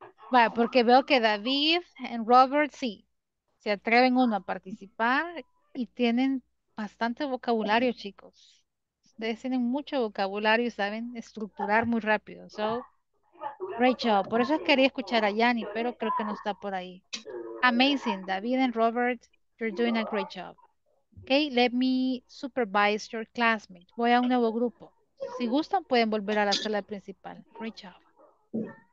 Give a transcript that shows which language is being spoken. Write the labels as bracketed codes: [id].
[es] Bueno, porque veo que David y Robert sí, se atreven uno a participar y tienen bastante vocabulario, chicos. Ustedes tienen mucho vocabulario y saben estructurar muy rápido. So, Rachel, por eso quería escuchar a Yanni, pero creo que no está por ahí. [en] Amazing, David and Robert, you're doing a great job. Okay, let me supervise your classmate. Voy a un nuevo grupo. [es] Si gustan, pueden volver a la sala principal. Great job.